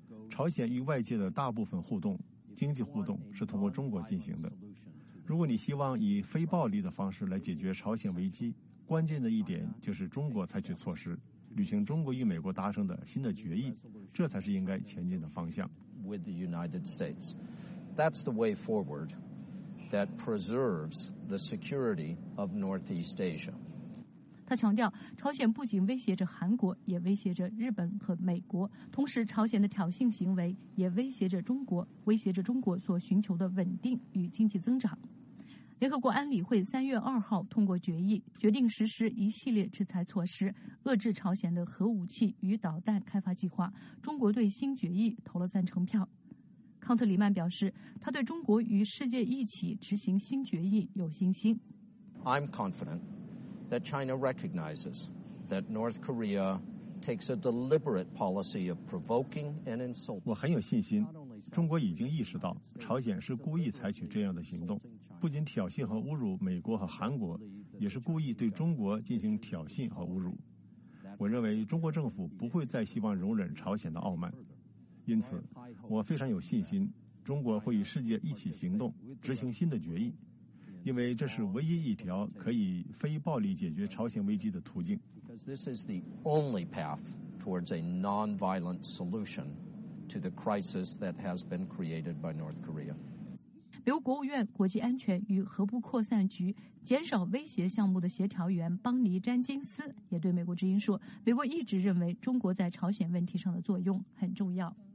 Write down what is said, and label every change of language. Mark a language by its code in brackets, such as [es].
[zh] 朝鲜与外界的大部分互动，经济互动是通过中国进行的。如果你希望以非暴力的方式来解决朝鲜危机，关键的一点就是中国采取措施，履行中国与美国达成的新的决议，这才是应该前进的方向。 [en] With the United States, that's the way forward that preserves the security of Northeast Asia. [zh] 他强调，朝鲜不仅威胁着韩国，也威胁着日本和美国，同时朝鲜的挑衅行为也威胁着中国，威胁着中国所寻求的稳定与经济增长。联合国安理会3月2号通过决议，决定实施一系列制裁措施，遏制朝鲜的核武器与导弹开发计划。中国对新决议投了赞成票。康特里曼表示，他对中国与世界一起执行新决议有信心。 [en] I'm confident. That China recognizes that North Korea takes a deliberate policy of provoking and insulting. [zh] 我很有信心，中国已经意识到朝鲜是故意采取这样的行动，不仅挑衅和侮辱美国和韩国，也是故意对中国进行挑衅和侮辱。我认为中国政府不会再希望容忍朝鲜的傲慢，因此我非常有信心，中国会与世界一起行动，执行新的决议。因为这是唯一一条可以非暴力解决朝鲜危机的途径。 [en] This is the only path towards a non-violent solution to the crisis that has been created by North Korea. [zh] 美国国务院国际安全与核不扩散局减少威胁项目的协调员邦尼·詹金斯也对美国之音说，美国一直认为中国在朝鲜问题上的作用很重要。